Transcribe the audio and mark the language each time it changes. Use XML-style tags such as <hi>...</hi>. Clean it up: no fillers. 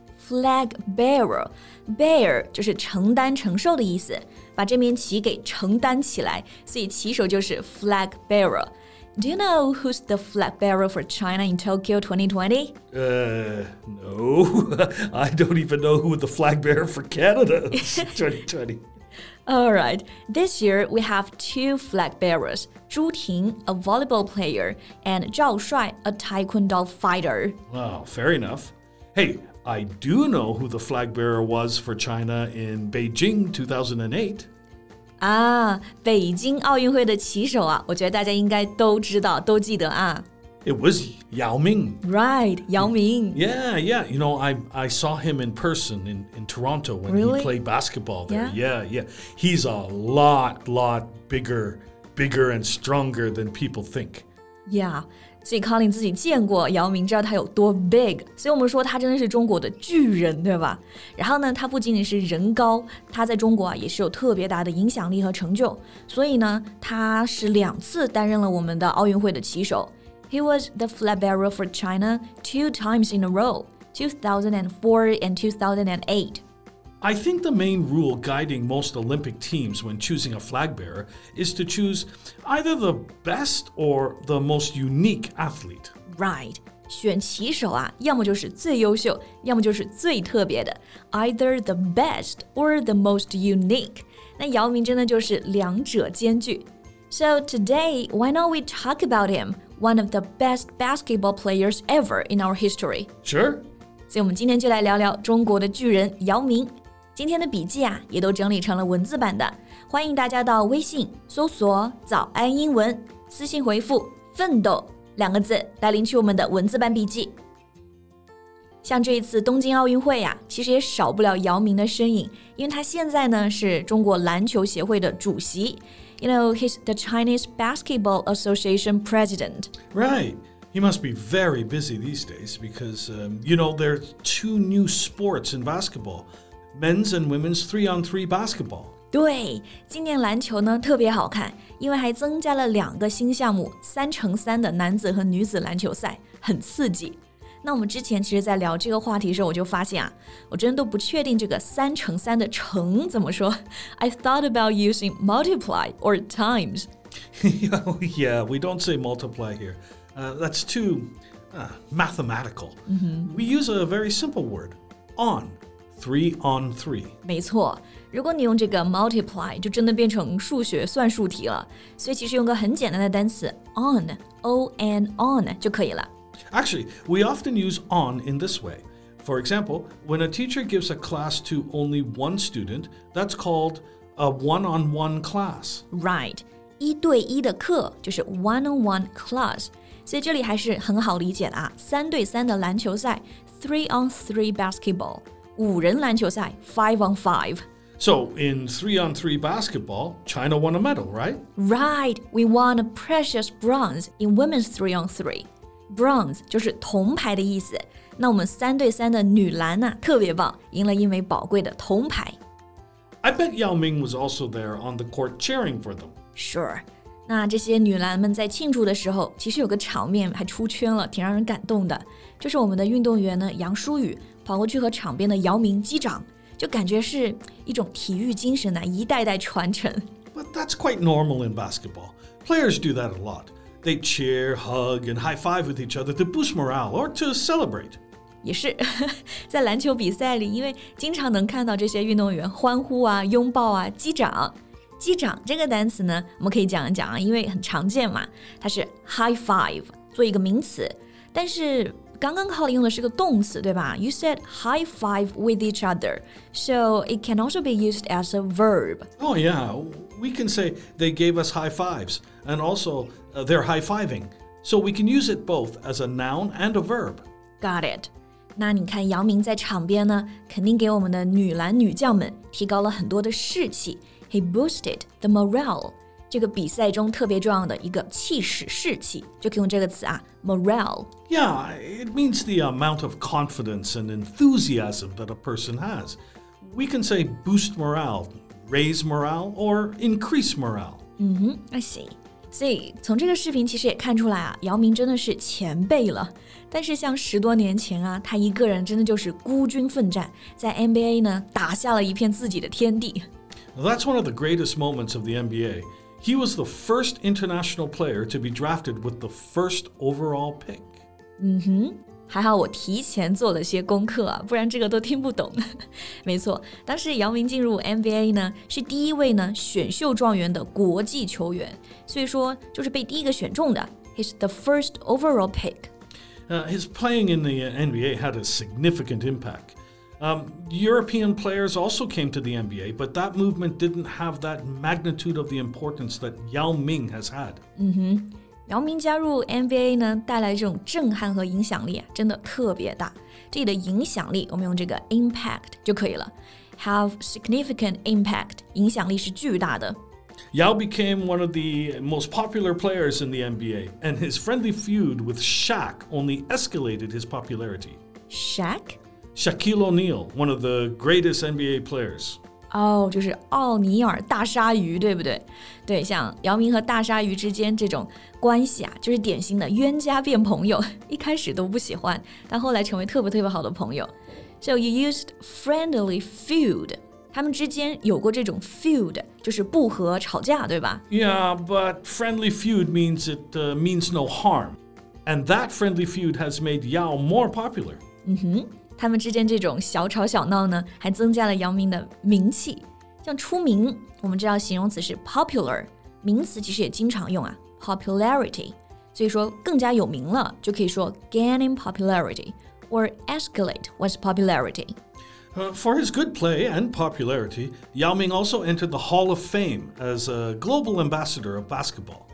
<zh>Flag bearer, bear 就是承担承受的意思，把这面旗给承担起来，所以旗手就是 flag bearer。</zh> <en>Do you know who's the flag bearer for China in Tokyo 2020? No. I don't even know who the flag bearer for Canada is 2020. All right. This year, we have two flag bearers. Zhu Ting, a volleyball player, and Zhao Shuai, a taekwondo fighter. Oh, fair enough. Hey, I do know who the flag bearer was for China in Beijing 2008.</en> <zh>啊，北京奥运会的旗手啊，我觉得大家应该都知道，都记得啊。</zh> <en>It was Yao Ming. Right, Yao Ming. Yeah. You know, I saw him in person in Toronto when Really? He played basketball there. Yeah. He's a lot bigger and stronger than people think.</en> <zh>Yeah, 所以 Colin 自己见过姚明，知道他有多 big， 所以我们说他真的是中国的巨人，对吧？然后呢，他不仅仅是人高，他在中国啊也是有特别大的影响力和成就。所以呢，他是两次担任了我们的奥运会的旗手。</zh> <en>He was the flag bearer for China two times in a row, 2004 and 2008. I think the main rule guiding most Olympic teams when choosing a flag bearer is to choose either the best or the most unique athlete. Right.</en> <zh>选旗手啊，要么就是最优秀，要么就是最特别的。</zh> <en>Either the best or the most unique.</en> <zh>那姚明真的就是两者兼具。</zh> <en>So today, why not we talk about him, one of the best basketball players ever in our history? Sure.</en> <zh>所以我们今天就来聊聊中国的巨人姚明。今天的笔记啊，也都整理成了文字版的。欢迎大家到微信搜索“早安英文”，私信回复“奋斗”两个字来领取我们的文字版笔记。像这一次东京奥运会啊，其实也少不了姚明的身影，因为他现在呢是中国篮球协会的主席。</zh> <en>You know, he's the Chinese Basketball Association president. Right. He must be very busy these days because, you know, there are two new sports in basketball, men's and women's three-on-three basketball.</en> <zh>对，今年篮球呢特别好看，因为还增加了两个新项目，3×3的男子和女子篮球赛，很刺激。那我们之前其实在聊这个话题的时候，我就发现啊，我真的都不确定这个3×3的乘怎么说。</zh> <en>I thought about using multiply or times. Yeah, we don't say multiply here. That's too mathematical. Mm-hmm. We use a very simple word, on, three on three.</en> <zh>没错，如果你用这个 multiply, 就真的变成数学算术题了。所以其实用个很简单的单词 on, O-N, on 就可以了。</zh> <en>Actually, we often use on in this way. For example, when a teacher gives a class to only one student, that's called a one-on-one class.</en> <zh>Right, 一对一的课就是 one-on-one class. 所以这里还是很好理解的啊，三对三的篮球赛 3-on-3 basketball, 五人篮球赛 5-on-5.</zh> <en>So in 3-on-3 basketball, China won a medal, right? Right, we won a precious bronze in women's 3-on-3.</en> <zh>Bronze 就是铜牌的意思，那我们三对三的女篮啊，特别棒，赢了一枚宝贵的铜牌。</zh> <en>I bet Yao Ming was also there on the court cheering for them. Sure.</en> <zh>那这些女篮们在庆祝的时候，其实有个场面还出圈了，挺让人感动的。就是我们的运动员呢，杨舒雨跑过去和场边的姚明击掌，就感觉是一种体育精神的一代代传承。</zh> <en>But that's quite normal in basketball. Players do that a lot. They cheer, hug, and high five with each other to boost morale or to celebrate.</en> <zh>也是，在篮球比赛里，因为经常能看到这些运动员欢呼啊、拥抱啊、击掌。击掌这个单词呢，我们可以讲一讲啊，因为很常见嘛。它是 high five， 做一个名词。但是刚刚 Colin 用的是个动词，对吧？</zh> <en>You said high five with each other, so it can also be used as a verb. Oh yeah, we can say they gave us high fives, and also they're high fiving. So we can use it both as a noun and a verb. Got it.</en> <zh>那你看姚明在场边呢，肯定给我们的女篮女将们提高了很多的士气。</zh> <en>He boosted the morale，</en> <zh>这个比赛中特别重要的一个气势士气，就可以用这个词啊 ，morale。</zh> <en>Yeah， it means the amount of confidence and enthusiasm that a person has. We can say boost morale, raise morale, or increase morale. Mm-hmm, I see.</en> <zh>所以从这个视频其实也看出来啊，姚明真的是前辈了。但是像十多年前啊，他一个人真的就是孤军奋战，在 NBA 呢打下了一片自己的天地。</zh> <en>That's one of the greatest moments of the NBA. He was the first international player to be drafted with the first overall pick.</en> <zh>嗯哼，还好我提前做了些功课啊，不然这个都听不懂。没错，当时姚明进入 NBA 呢，是第一位呢选秀状元的国际球员，所以说就是被第一个选中的。</zh> <en>He's the first overall pick. His playing in the NBA had a significant impact. European players also came to the NBA, but that movement didn't have that magnitude of the importance that Yao Ming has had.</en> <zh>嗯哼。姚明加入 NBA 呢，带来这种震撼和影响力啊，真的特别大。这里的影响力，我们用这个 impact 就可以了。</zh> <en>Have significant impact，</en> <zh>影响力是巨大的。</zh> <en>Yao became one of the most popular players in the NBA, and his friendly feud with Shaq only escalated his popularity. Shaq? Shaquille O'Neal, one of the greatest NBA players.</en> <zh>哦、oh, ，就是奥尼尔大鲨鱼，对不对？对，像姚明和大鲨鱼之间这种关系啊，就是典型的冤家变朋友，一开始都不喜欢，但后来成为特别特别好的朋友。</zh> <en>So you used friendly feud，</en> <zh>他们之间有过这种 feud， 就是不和吵架，对吧</zh> <en>？Yeah， but friendly feud means it means no harm， and that friendly feud has made Yao more popular.</en> <zh>嗯哼。他们之间这种小吵小闹呢，还增加了姚明的名气。像出名，我们知道形容词是 popular， 名词其实也经常用啊 ，popularity。所以说更加有名了，就可以说</zh> <en>gaining popularity or escalate one's popularity。 For his good play and popularity, Yao Ming also entered the Hall of Fame as a global ambassador of basketball.</en>